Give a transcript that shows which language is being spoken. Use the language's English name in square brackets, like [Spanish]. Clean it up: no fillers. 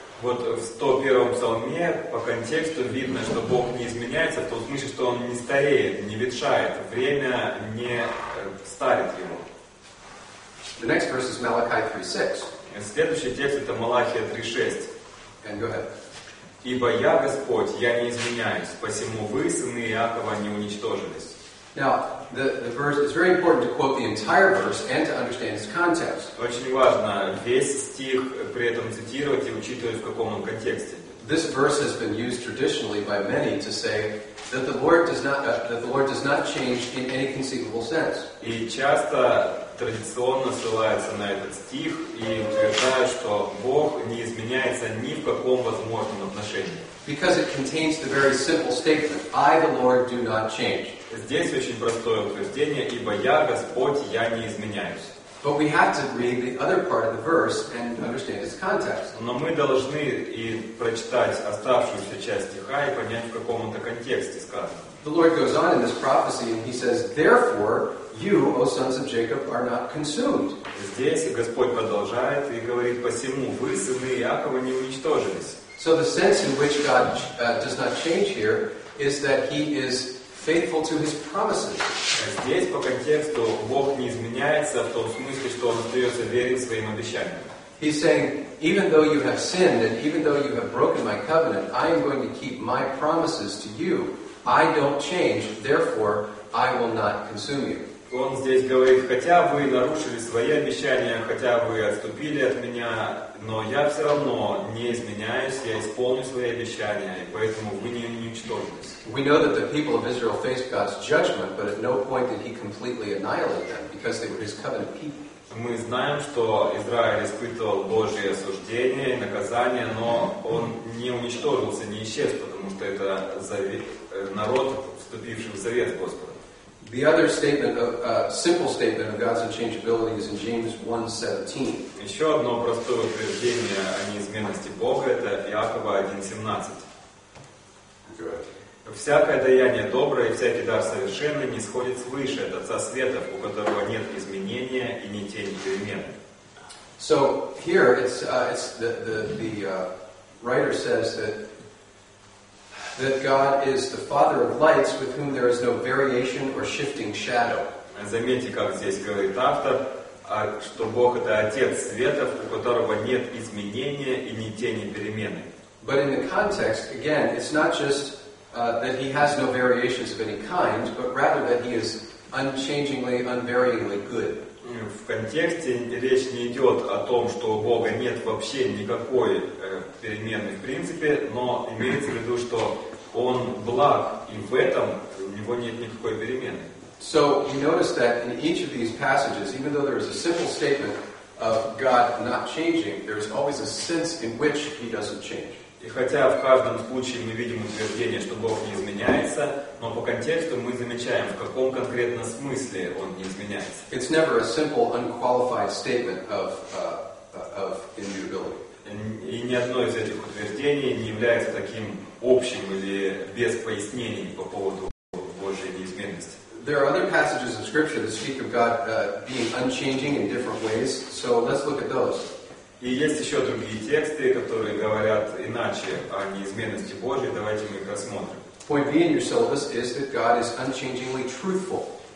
[Russian] Вот в 101 псалме по контексту видно, что Бог не изменяется, в том смысле, что он не стареет, не ветшает, время не старит его. [English] The next verse is Malachi 3:6. [Russian] Следующий текст это Малахия 3:6. [English] And go ahead. [Russian] Ибо я Господь, я не изменяюсь, посему вы, сыны Иакова, не уничтожились. [English] Now, the verse, it's very important to quote the entire verse and to understand its context. [Russian] Очень важно весь стих при этом цитировать и учитывать, в каком он контексте. [English] This verse has been used traditionally by many to say that the Lord does not change in any conceivable sense. [Russian] И часто традиционно ссылается на этот стих и утверждают, что Бог не изменяется ни в каком возможном отношении. [English] Because it contains the very simple statement, I, the Lord, do not change. [Russian] Здесь очень простое утверждение, ибо я Господь, я не изменяюсь. [English] But we have to read the other part of the verse and understand its context. [Russian] Но мы должны и прочитать оставшуюся часть стиха и понять, в каком это контексте сказано. [English] The Lord goes on in this prophecy and he says, therefore, you, O sons of Jacob, are not consumed. [Russian] Здесь Господь продолжает и говорит, посему вы, сыны Иакова, не уничтожились. [English] So the sense in which God does not change here is that he is faithful to his promises. [Russian] Здесь по контексту Бог не изменяется в том смысле, что он остается верен своим обещаниям. [English] He's saying, even though you have sinned and even though you have broken my covenant, I am going to keep my promises to you. I don't change, therefore I will not consume you. [Russian] Он здесь говорит, хотя вы нарушили свои обещания, хотя вы отступили от меня, но я все равно не изменяюсь, я исполню свои обещания, и поэтому вы не уничтожились. [English] We know that the people of Israel faced God's judgment, but at no point did he completely annihilate them, because they were his covenant people. [Russian] Мы знаем, что Израиль испытывал Божье осуждение и наказание, но он не уничтожился, не исчез, потому что это народ, вступивший в завет с Господом. [English] The other statement, simple statement of God's unchangeability is in James 1:17. [Russian] Еще одно простое утверждение о неизменности Бога – это Иакова 1:17. Всякое даяние доброе и всякий дар совершенный не сходит свыше от Отца Светов, у которого нет изменения и ни тени перемен. [English] So here it's the writer says that God is the Father of lights with whom there is no variation or shifting shadow. [Russian] Заметьте, как здесь говорит автор, что Бог это Отец светов, у которого нет изменения и ни тени перемены. [English] But in the context, again, it's not just that he has no variations of any kind, but rather that he is unchangingly, unvaryingly good. [Russian] В контексте речь не идет о том, что у Бога нет вообще никакой переменной в принципе, но имеется в виду, что Он благ, и в этом у Него нет никакой перемены. [English] So, you notice that in each of these passages, even though there is a simple statement of God not changing, there is always a sense in which He doesn't change. [Russian] И хотя в каждом случае мы видим утверждение, что Бог не изменяется, но по контексту мы замечаем, в каком конкретно смысле Он не изменяется. [English] It's never a simple, unqualified statement of immutability. [Russian] И ни одно из этих утверждений не является таким общим или без пояснений по поводу Божьей неизменности. [English] There are other passages of Scripture that speak of God being unchanging in different ways, so let's look at those. [Russian] И есть еще другие тексты, которые говорят иначе о неизменности Божьей. Давайте мы их рассмотрим. [English] Point B in your syllabus is that God is unchangingly truthful.